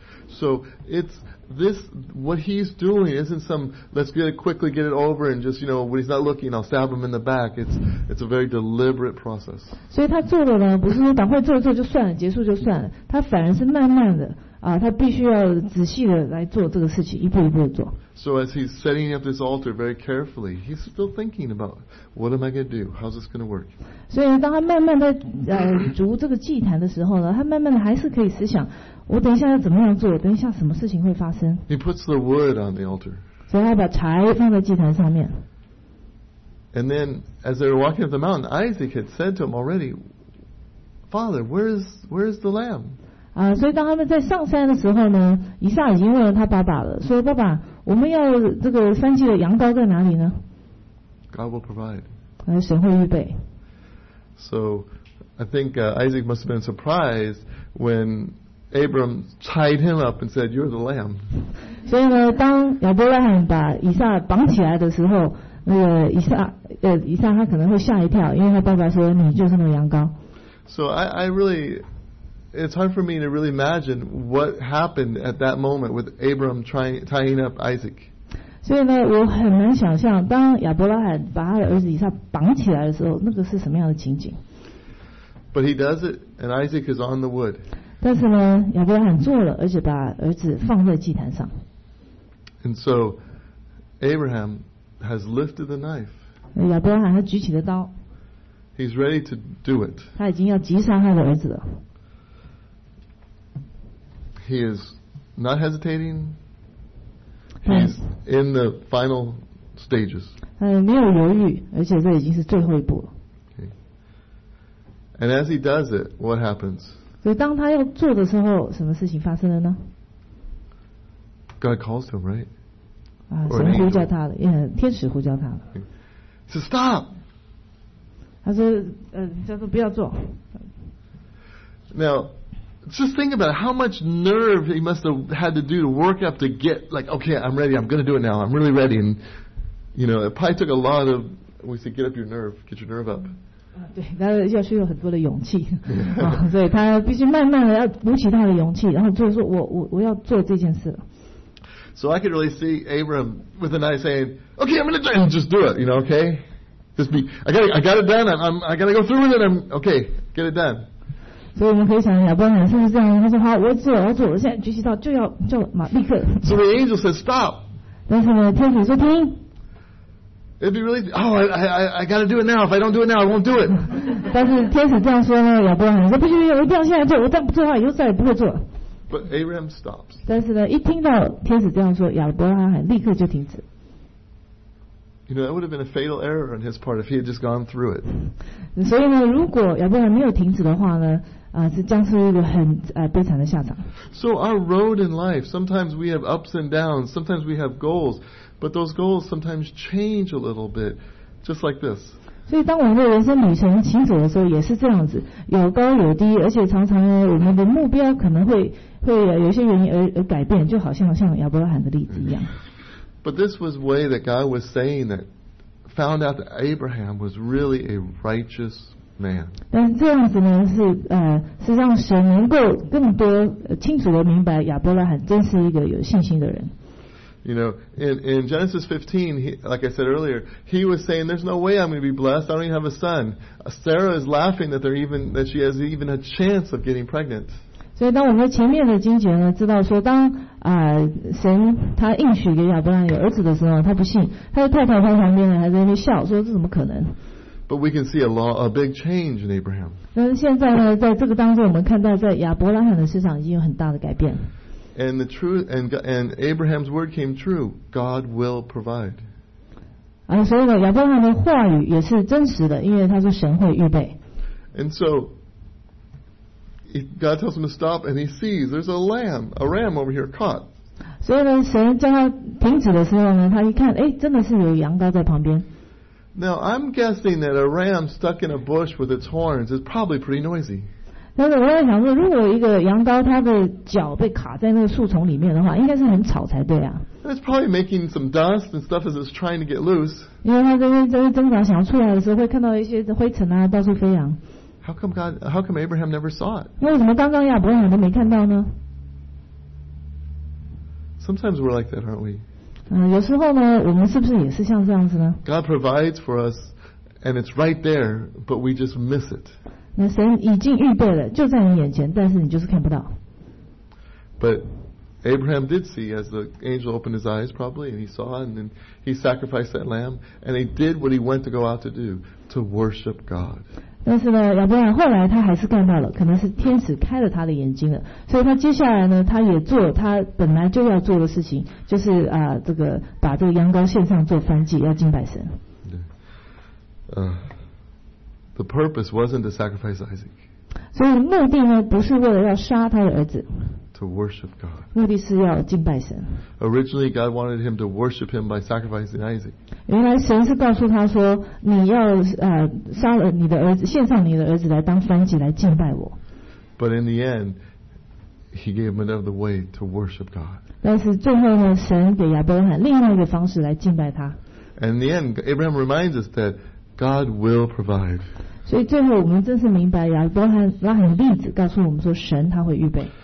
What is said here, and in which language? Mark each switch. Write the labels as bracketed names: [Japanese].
[English] So it's this what he's doing isn't some let's get it quickly get it over and just you know when he's not looking I'll stab him in the back. It's a very deliberate process. [Chinese] 所以他做的呢，不是说赶快做做就算了，结束就算了。他反而是慢慢的啊，他必须要仔细的来做这个事情，一步一步做。 [English] So as he's setting up this altar very carefully, he's still thinking about what am I going to do? How's this going to work? [Chinese] 所以当他慢慢的筑这个祭坛的时候呢，他慢慢的还是可以思想，我等一下要怎么样做？等一下什么事情会发生 [English] ？He puts the wood on the altar. [Chinese] 所以他把柴放在祭坛上面。 [English] And then, as they were walking up the mountain, Isaac had said to him already, "Father, where is the lamb?" [Chinese] 啊，所以当他们在上山的时候呢，以撒已经问了他爸爸了，说：“爸爸，我们要这个燔祭的羊羔在哪里呢 [English] ？”God will provide. [Chinese] 神会预备。 [English] So, I think Isaac must have been surprised when Abram tied him up and said, "You're the lamb." [Chinese] 所以呢，当亚伯拉罕把以撒绑起来的时候，那个以撒他可能会吓一跳，因为他爸爸说你就是那羊羔。 [English] So I really, it's hard for me to really imagine what happened at that moment with Abram tying up Isaac. [Chinese] 所以呢，我很难想象当亚伯拉罕把他的儿子以撒绑起来的时候，那个是什么样的情景。 [English] But he does it, and Isaac is on the wood. [Chinese] 但是呢，亚伯拉罕做了，而且把儿子放在祭坛上。 [English] And so Abraham has lifted the knife. [Chinese] 亚伯拉罕他举起了刀。 [English] He's ready to do it. [Chinese] 他已经要击杀他的儿子了。 [English] He is not hesitating. He's in the final stages. [Chinese] 没有犹豫，而且这已经是最后一步了。 [English] And as he does it, what happens? [Chinese] 所以当他要做的时候，什么事情发生了呢？ [English] God calls him, right? [Chinese] 神呼叫他了，也天使呼叫他了。 [English] He says, stop! [Chinese] 他说，叫做不要做。 [English] Now, just think about it, how much nerve he must have had to do to work up to get, like, okay, I'm ready, I'm going to do it now, I'm really ready. And, you know, it probably took a lot of, we say, get up your nerve, get your nerve up. [Chinese] 对，他要需要很多的勇气，所以他必须慢慢的要鼓起他的勇气，然后就是说我要做这件事了。 [English] So I could really see Abram with an eye saying, "Okay, I'm going to do it. And just do it. You know, okay? Just be. I got it done. I got to go through with it. I'm okay. Get it done." [Chinese] 所以我们可以想亚伯拉罕是不是这样？他说好，我要做，我要做，我现在举起刀就要马立刻。 [English] So the angel says, "Stop." [Chinese] 但是呢，天使说停。 [English] It'd be really, oh, I got to do it now. If I don't do it now, I won't do it. [Chinese] 但是天使这样说呢，亚伯拉罕说不行，我一定要现在做，我再不做的话，以后再也不会做。 [English] But Abraham stops. [Chinese] 但是呢，一听到天使这样说，亚伯拉罕立刻就停止。 [English] You know, that would have been a fatal error on his part if he had just gone through it. [Chinese] 所以呢，如果亚伯拉罕没有停止的话呢，是将是一个很悲惨的下场。 [English] So our road in life, sometimes we have ups and downs, sometimes we have goals. But those goals sometimes change a little bit, just like this. [Chinese] 所以当我们的人生旅程行走的时候，也是这样子，有高有低，而且常常我们的目标可能会有一些原因而改变，就好像亚伯拉罕的例子一样。 [English] But this was the way that God was saying that found out that Abraham was really a righteous man. [Chinese] 但这样子呢，是让神能够更多清楚地明白亚伯拉罕真是一个有信心的人。 [English] You know, in Genesis 15, like I said earlier, he was saying, there's no way I'm going to be blessed. I don't even have a son. Sarah is laughing that she has even a chance of getting pregnant. [Chinese] 所以当我们前面的经节呢，知道说当神他应许给亚伯拉罕有儿子的时候，他不信，他的太太在旁边呢还在那边笑，说这怎么可能？ [English] But we can see a big change in Abraham. [Chinese] 但是现在呢，在这个当中，我们看到在亚伯拉罕的身上已经有很大的改变。 [English] And the truth, and Abraham's word came true. God will provide. [Chinese] 所以呢，亚伯拉罕的话语也是真实的，因为他说神会预备。 [English] And so, God tells him to stop, and he sees there's a lamb, a ram over here caught. [Chinese] 所以呢，神叫他停止的时候呢，他一看，哎，真的是有羊羔在旁边。 [English] Now I'm guessing that a ram stuck in a bush with its horns is probably pretty noisy. [Chinese] 但是我在想说，如果一个羊羔它的脚被卡在那个树丛里面的话，应该是很吵才对啊。 [English] It's probably making some dust and stuff as it's trying to get loose. [Chinese] 因为它在挣扎想要出来的时候，会看到一些灰尘啊到处飞扬。 [English] How come Abraham never saw it? [Chinese] 为什么刚刚亚伯拉罕都没看到呢？ [English] Sometimes we're like that, aren't we? [Chinese] 有时候呢，我们是不是也是像这样子呢？ [English] God provides for us, and it's right there, but we just miss it. [Chinese] 那神已经预备了，就在你眼前，但是你就是看不到。 [English] But Abraham did see as the angel opened his eyes, probably, and he saw, and then he sacrificed that lamb, and he did what he went to go out to do, to worship God. [Chinese] 但是呢，亚伯拉罕后来他还是看到了，可能是天使开了他的眼睛了，所以他接下来呢，他也做他本来就要做的事情，就是这个把这个羊羔献上做燔祭，要敬拜神。 [English] The purpose wasn't to sacrifice Isaac. [Chinese] 所以目的呢，不是为了要杀他的儿子。 [English] To worship God. [Chinese] 目的是要敬拜神。 [English] Originally, God wanted him to worship him by sacrificing Isaac. [Chinese] 原来神是告诉他说，你要杀了你的儿子，献上你的儿子来当燔祭来敬拜我。 [English] But in the end, he gave him another way to worship God. [Chinese] 但是最后呢，神给亚伯拉罕另外一个方式来敬拜他。 [English] And in the end, Abraham reminds us that. God will provide. [Chinese] 所以最后我们真是明白亚伯拉罕的例子告诉我们说神他会预备。